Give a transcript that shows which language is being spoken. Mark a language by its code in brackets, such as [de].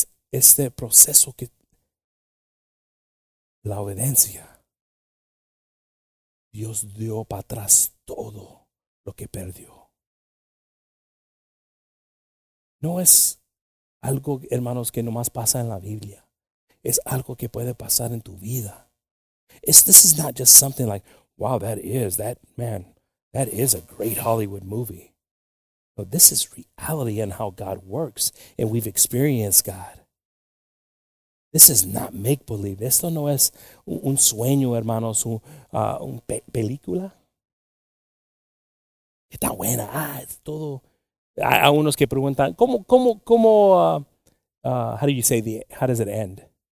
[es] Este proceso que la obediencia, Dios dio para atrás todo lo que perdió. No es algo, hermanos, que nomás pasa en la Biblia. Es algo que puede pasar en tu vida. [en] This is not just something like, wow, that is a great Hollywood movie. But this is reality and how God works. And we've experienced God. This is not make-believe. [es] Esto no es un sueño, hermanos, una película. Que está buena. Es todo. Hay unos que preguntan, [en] how does it end?